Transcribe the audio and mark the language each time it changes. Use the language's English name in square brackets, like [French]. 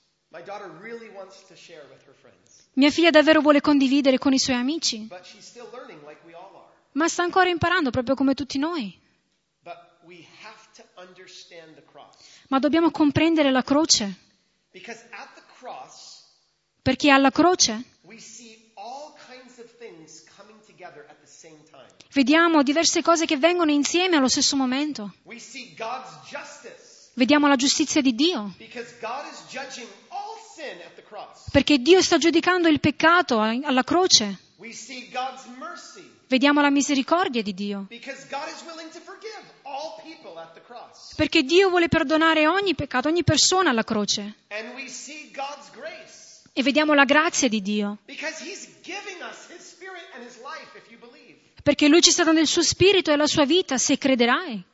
[English] My daughter really wants to share with her friends. [Italian] Mia figlia davvero vuole condividere con i suoi amici. [English] But she's still learning like we all are. [Italian] Ma sta ancora imparando, proprio come tutti noi. [English] But we have to understand the cross. [Italian] Ma dobbiamo comprendere la croce. [English] Because at the cross, [Italian] perché alla croce [English] we see all kinds of things coming together at the same time. [Italian] Vediamo diverse cose che vengono insieme allo stesso momento. [English] We see God's justice. [Italian] Vediamo la giustizia di Dio. [English] Because God is judging all sin at the cross. [Italian] Perché Dio sta giudicando il peccato alla croce. [English] We see God's mercy. [Italian] Vediamo la misericordia di Dio. [English] Because God is willing to forgive all people at the cross. [Italian] Perché Dio vuole perdonare ogni peccato, ogni persona alla croce. [English] And we see God's grace. [Italian] E vediamo la grazia di Dio. [English] Because he's giving us his spirit and his life if you believe. [Italian] Perché lui ci sta dando il suo spirito e la sua vita se crederai.